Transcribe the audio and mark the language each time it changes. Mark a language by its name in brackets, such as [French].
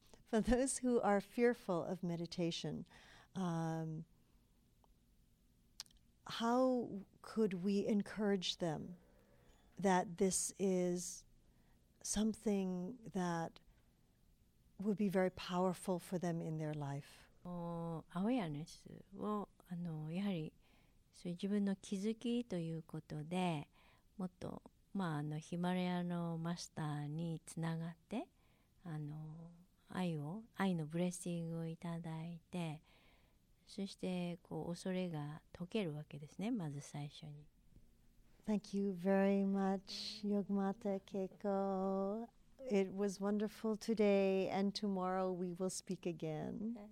[English] For those who are fearful of meditation, how could we encourage them that this is something that would be very powerful for them in their life? [Japanese] Awareness をやはりそういう自分の気づきということで、もっと、ヒマラヤのマスターにつながって、愛のブレッシングをいただいて、そしてこう恐れが解けるわけですね、まず最初に。 [English] Thank you very much, Yogmata Keiko. It was wonderful today, and tomorrow we will speak again.